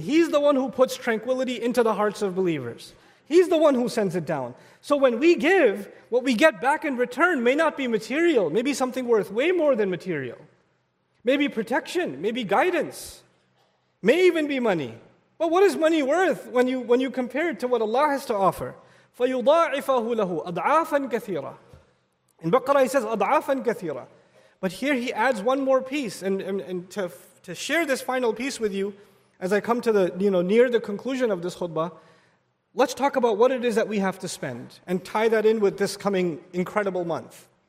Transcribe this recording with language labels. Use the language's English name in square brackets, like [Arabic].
[English] He's the one who puts tranquility into the hearts of believers. He's the one who sends it down. So when we give, what we get back in return may not be material, maybe something worth way more than material. Maybe protection, maybe guidance, may even be money. But what is money worth when you compare it to what Allah has to offer? [Arabic] فَيُضَاعِفَهُ لَهُ أَضْعَافًا كَثِيرًا. [English] In Baqarah he says, [Arabic] أَضْعَافًا كَثِيرًا. [English] But here he adds one more piece, and to share this final piece with you, as I come to the, you know, near the conclusion of this khutbah, let's talk about what it is that we have to spend and tie that in with this coming incredible month.